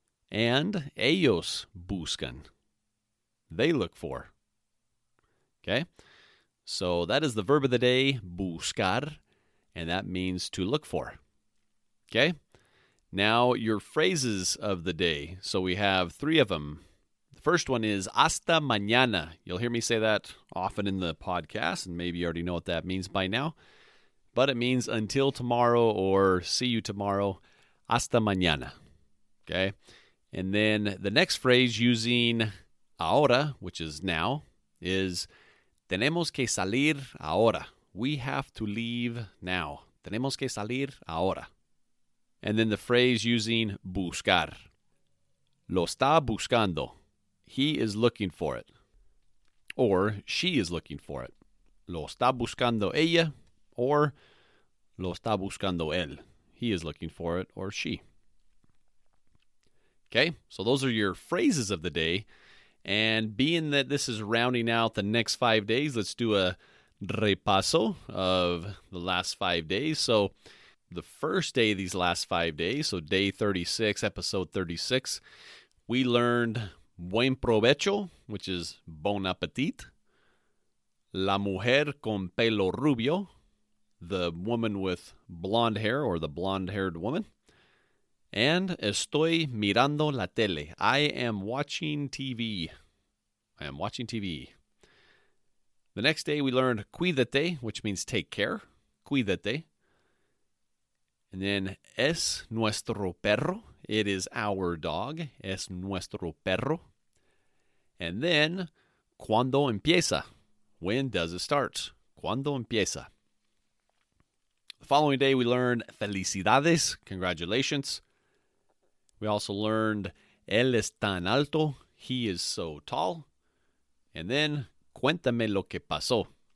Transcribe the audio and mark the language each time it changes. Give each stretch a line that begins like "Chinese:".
English: And
Spanish: ellos buscan,
English: they look for. Okay, so that is the verb of the day, buscar, and that means to look for. Okay, now your phrases of the day. So we have three of them. First one is hasta mañana. You'll hear me say that often in the podcast, and maybe you already know what that means by now. But it means until tomorrow or see you tomorrow. Hasta mañana. Okay. And then the next phrase using ahora, which is now, is
Spanish: tenemos que salir ahora.
English: We have to leave now.
Spanish: Tenemos que salir ahora.
English: And then the phrase using buscar.
Spanish: Lo está buscando.
English: He is looking for it, or she is looking for it.
Spanish: Lo está buscando ella, or lo está buscando él.
English: He is looking for it, or she. Okay, so those are your phrases of the day. And being that this is rounding out the next 5 days, let's do a repaso of the last 5 days. So the first day of these last 5 days, so day 36, episode 36, we learned buen provecho, which is bon appetit.
Spanish: La mujer con pelo rubio,
English: the woman with blonde hair or the blonde-haired woman.
Spanish: And estoy mirando la tele.
English: I am watching TV. I am watching TV. The next day we learned cuídate, which means take care.
Spanish: Cuídate.
English: And then
Spanish: es nuestro perro.
English: It is our dog.
Spanish: Es nuestro perro.
English: And then,
Spanish: ¿cuándo empieza?
English: When does it start?
Spanish: ¿Cuándo empieza?
English: The following day, we learned felicidades, congratulations. We also learned,
Spanish: él es tan alto,
English: he is so tall. And then,
Spanish: cuéntame lo que pasó.